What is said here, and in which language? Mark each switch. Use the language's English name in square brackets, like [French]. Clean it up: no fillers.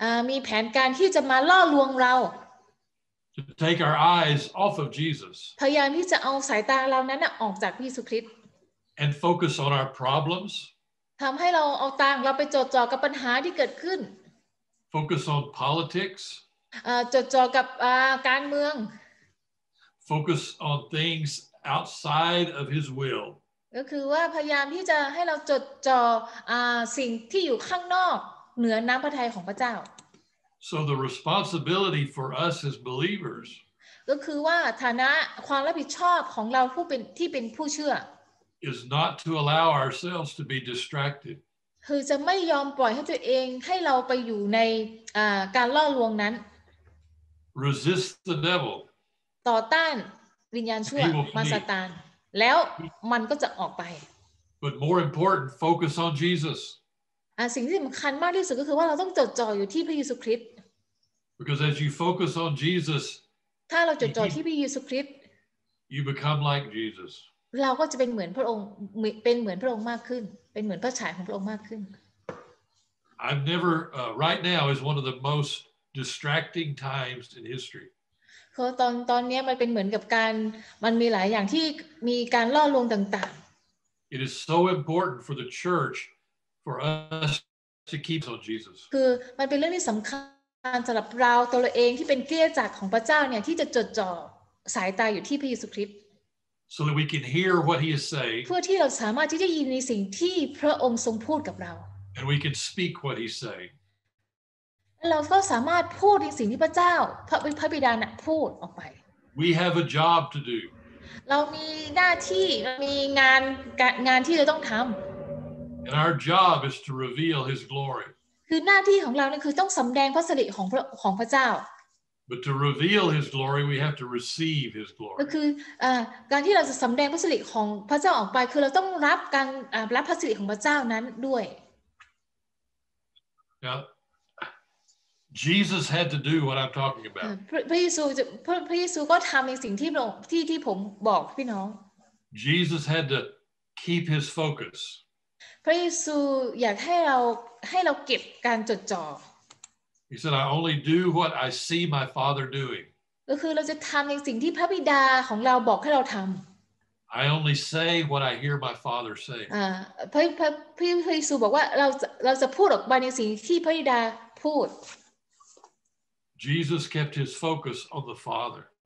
[Thai] มีแผนการที่จะมาล่อลวงเรา [English] to take our eyes off of Jesus. [Thai] พยายามที่จะเอาสายตาเรานั้นออกจากพระเยซูคริสต์ [English] and focus on our problems. [Thai] ทำให้เราเอาตาของเราไปจดจ่อกับปัญหาที่เกิดขึ้น [English] Focus on politics. [Thai] จดกับการเมือง [English] Focus on things outside of His will. [Thai] ก็คือว่าพยายามที่จะให้เราจดจ่อสิ่งที่อยู่ข้างนอกเหนือน้ำพระทัยของพระเจ้า [English] So the responsibility for us as believers. [Thai] ก็คือว่าฐานะความรับผิดชอบของเราที่เป็นผู้เชื่อ [English] is not to allow ourselves to be distracted. [Thai] คือจะไม่ยอมปล่อยให้ตัวเองให้เราไปอยู่ในการล่อลวงนั้น [English] Resist the devil [Thai] ต่อต้านวิญญาณชั่วมารซาตานแล้วมันก็จะออกไป [English] But more important focus on Jesus [Thai] สิ่งที่สำคัญมากที่สุดก็คือว่าเราต้องจดจ่ออยู่ที่พระเยซูคริสต์ [English] Because as you focus on Jesus [Thai] ถ้าเราจดจ่อที่พระเยซูคริสต์ [English] You become like Jesus [Thai] เราก็จะเป็นเหมือนพระองค์เป็นเหมือนพระองค์มากขึ้นเป็นเหมือนพระฉายของพระองค์มากขึ้น [English] I've never right now is one of the most distracting times in history [Thai] คือตอนนี้มันเป็นเหมือนกับการมันมีหลายอย่างที่มีการล่อลวงต่าง [English] ๆ It is so important for the church for us to keep on Jesus [Thai] คือมันเป็นเรื่องที่สำคัญสำหรับเราตัวเราเองที่เป็นเกียรติจักรของพระเจ้าเนี่ยที่จะจดจ่อสายตาอยู่ที่พระเยซูคริสต์ [English] So that we can hear what he is saying. [Thai] เพื่อที่เราสามารถที่จะยินในสิ่งที่พระองค์ทรงพูดกับเรา [English] And we can speak what he's saying. [Thai] เราก็สามารถพูดในสิ่งที่พระเจ้าพระบิดาพูดออกไป [English] We have a job to do. [Thai] เรามีหน้าที่เรามีงานที่เราต้องทำ [English] And our job is to reveal his glory. [Thai] คือหน้าที่ของเรานี่คือต้องสำแดงพระสิริของพระเจ้า [English] But to reveal His glory, we have to receive His glory. [Thai] ก็คือการที่เราจะสำแดงพระสิริของพระเจ้าออกไปคือเราต้องรับการรับพระสิริของพระเจ้านั้นด้วย [English] Now, Jesus had to do what I'm talking about. [Thai] พระเยซูก็ทำในสิ่งที่ผมบอกพี่น้อง [English] Jesus had to keep His focus. [Thai] พระเยซูอยากให้เราเก็บการจดจ่อ [English] He said, "I only do what I see my Father doing." [Thai] ก็คือเราจะทำในสิ่งที่พระบิดาของเราบอกให้เราทำ [English] I only say what I hear my Father say. [Thai] พระเยซูบอกว่าเราจะพูดออกมาในสิ่งที่พระบิดาพูด [English] Jesus kept his focus on the Father.